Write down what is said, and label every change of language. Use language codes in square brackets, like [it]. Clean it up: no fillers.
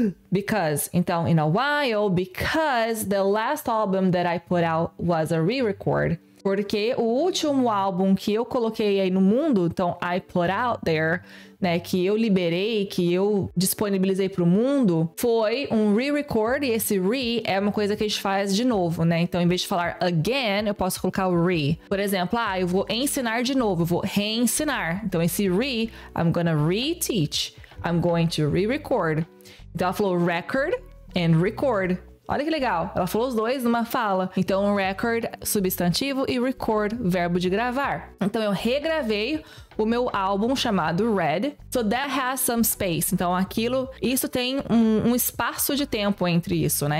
[en] Because, [pt] então, [en] in a while, because the last album that I put out was a re-record. [pt] Porque o último álbum que eu coloquei aí no mundo, então, [en] I put out there, [pt] né, que eu liberei, que eu disponibilizei pro mundo, foi um re-record, e esse re é uma coisa que a gente faz de novo, né? Então, em vez de falar again, eu posso colocar o re. Por exemplo, ah, eu vou ensinar de novo, eu vou reensinar. Então, esse re, [en] I'm gonna re-teach, I'm going to re-record. [pt] Então, ela falou record and record. Olha que legal, ela falou os dois numa fala. Então, record, substantivo, e record, verbo de gravar. Então, eu regravei o meu álbum chamado Red. [en] So, that has some space. [pt] Então, aquilo, isso tem um espaço de tempo entre isso, né?